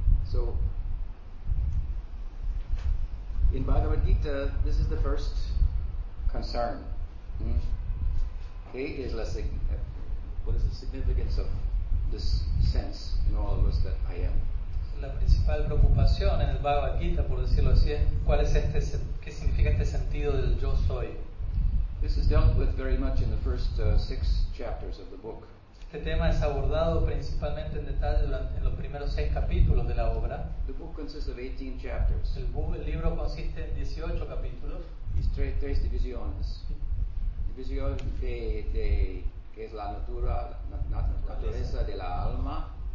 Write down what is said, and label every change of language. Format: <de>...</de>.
<en>So, in Bhagavad Gita, this is the first concern. Okay, is la what is the significance of this sense in all of us that I am?</en> <es>La principal preocupación en el Bhagavad Gita, por decirlo así, es cuál es este, qué significa este sentido del yo soy.</es> <en>This is dealt with very much in the first six chapters of the book.</en> <es>Este tema es abordado principalmente en detalle durante, en los primeros seis capítulos de la obra.</es> <en>The book consists of 18 chapters.</en> <es>El libro consiste en 18 capítulos. Y tres divisiones. División de que es la naturaleza de la alma.</es>